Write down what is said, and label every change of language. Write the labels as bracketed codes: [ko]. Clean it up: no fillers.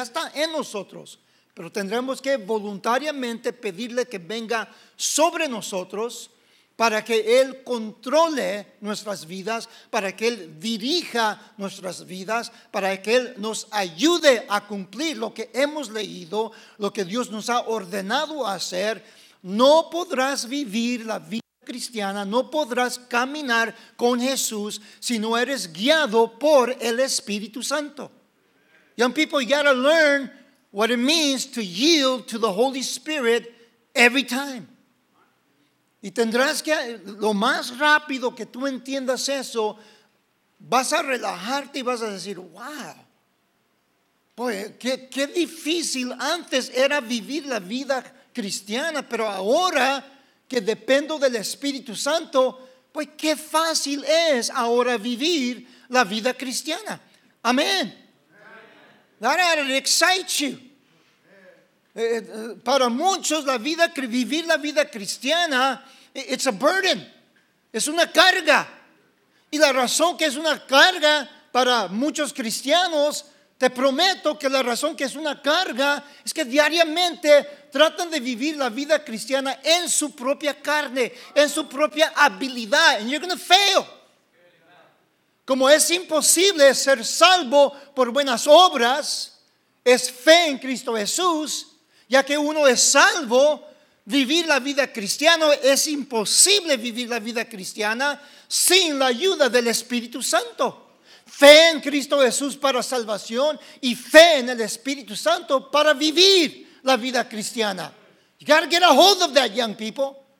[es] Ya está en nosotros, pero tendremos que voluntariamente pedirle que venga sobre nosotros para que Él controle nuestras vidas, para que Él dirija nuestras vidas, para que Él nos ayude a cumplir lo que hemos leído, lo que Dios nos ha ordenado hacer. No podrás vivir la vida cristiana, no podrás caminar con Jesús si no eres guiado por el Espíritu Santo. [en] Young people, you gotta learn what it means to yield to the Holy Spirit every time. [es] Y tendrás que, lo más rápido que tú entiendas eso, vas a relajarte y vas a decir, wow, pues qué difícil antes era vivir la vida cristiana, pero ahora que dependo del Espíritu Santo, pues qué fácil es ahora vivir la vida cristiana. Amén. [en] That ought to excite you. [es] Para muchos, vivir la vida cristiana, [en] it's a burden. [es] Es una carga. Y la razón que es una carga para muchos cristianos, te prometo que la razón que es una carga es que diariamente tratan de vivir la vida cristiana en su propia carne, en su propia habilidad. [en] And you're going to fail. [es] Como es imposible ser salvo por buenas obras, es fe en Cristo Jesús, ya que uno es salvo. Vivir la vida cristiana es imposible, vivir la vida cristiana sin la ayuda del Espíritu Santo. Fe en Cristo Jesús para salvación y fe en el Espíritu Santo para vivir la vida cristiana. [en] You gotta get a hold of that, young people.